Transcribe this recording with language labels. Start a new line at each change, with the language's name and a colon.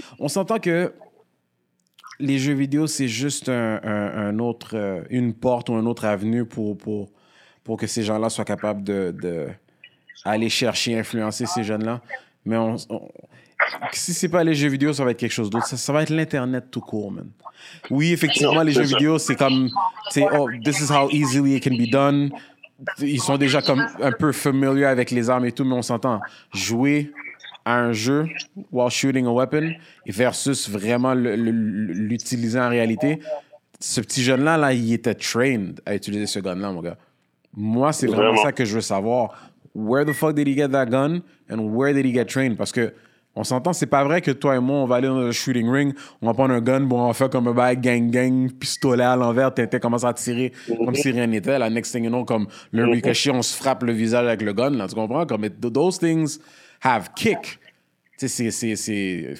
French: On s'entend que les jeux vidéo, c'est juste une porte ou une autre avenue pour que ces gens-là soient capables d'aller chercher, influencer ces jeunes-là. Mais si c'est pas les jeux vidéo, ça va être quelque chose d'autre. Ça va être l'Internet tout court, man. Oui, effectivement, non, les jeux vidéo, c'est comme.
English: C'est, oh, this is how easily it can be done.
French: Ils sont déjà comme un peu familiers avec les armes et tout, mais on s'entend. Jouer à un jeu
English: while shooting a weapon
French: versus vraiment l'utiliser en réalité, ce petit jeune-là, là, il était trained à utiliser ce gun-là, mon gars. Moi, c'est vraiment ça que je veux savoir.
English: Where the fuck did he get that gun and where did he get trained?
French: Parce que on s'entend, c'est pas vrai que toi et moi, on va aller dans un shooting ring, on va prendre un gun, bon, on va faire comme un bag gang-gang, pistolet à l'envers, t'es commencé à tirer comme si rien n'était. La
English: next thing you know,
French: comme le ricochet, on se frappe le visage avec le gun, là, tu comprends?
English: Comme those things have kick.
French: Tu sais, c'est...